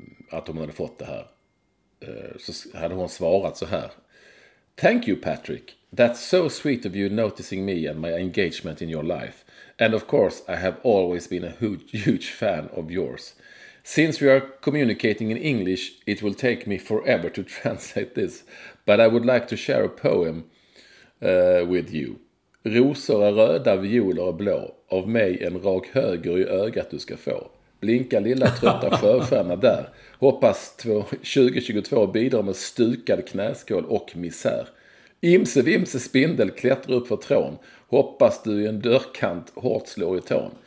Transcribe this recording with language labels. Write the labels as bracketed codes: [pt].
[sv] Att hon hade fått det här. Så hade hon svarat så här. [en] Thank you, Patrick. That's so sweet of you noticing me and my engagement in your life. And of course, I have always been a huge fan of yours. Since we are communicating in English, it will take me forever to translate this. But I would like to share a poem with you. [sv] Rosor är röda, violer är blå. Av mig en rak höger i ögat du ska få. Blinka lilla trötta sjöstjärna där. Hoppas 2022 bidrar med stukad knäskål och misär. Imse vimse spindel klättrar upp för trån. Hoppas du i en dörrkant hårt slår i tån.